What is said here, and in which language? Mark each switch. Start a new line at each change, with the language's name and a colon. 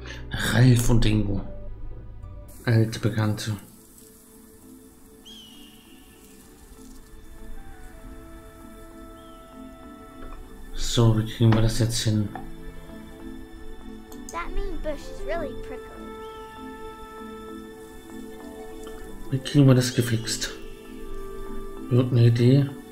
German: Ralf und Dingo. Alte Bekannte. So, wie kriegen wir das jetzt hin?
English: That mean bush is really prickly.
German: Wie kriegen wir das gefixt? Irgendeine Idee?